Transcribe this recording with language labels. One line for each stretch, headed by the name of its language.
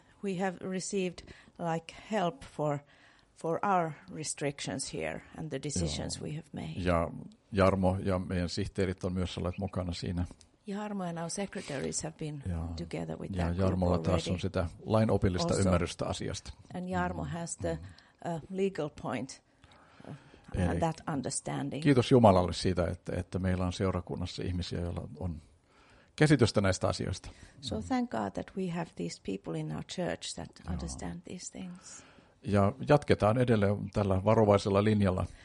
English: We have received like help for our restrictions here and the decisions we have made.
Finnish: Ja Jarmo ja meidän sihteerit on myös olleet mukana siinä.
English: Jarmo and our secretaries have been together with
Finnish: ja
English: that.
Finnish: Ja Jarmolla taas on sitä lainopillista
English: also
Finnish: ymmärrystä asiasta.
English: And Jarmo has the legal point and that understanding.
Finnish: Kiitos Jumalalle siitä, että meillä on seurakunnassa ihmisiä, joilla on käsitystä näistä asioista.
English: So thank God that we have these people in our church that understand these things.
Finnish: Ja jatketaan edelleen tällä varovaisella linjalla.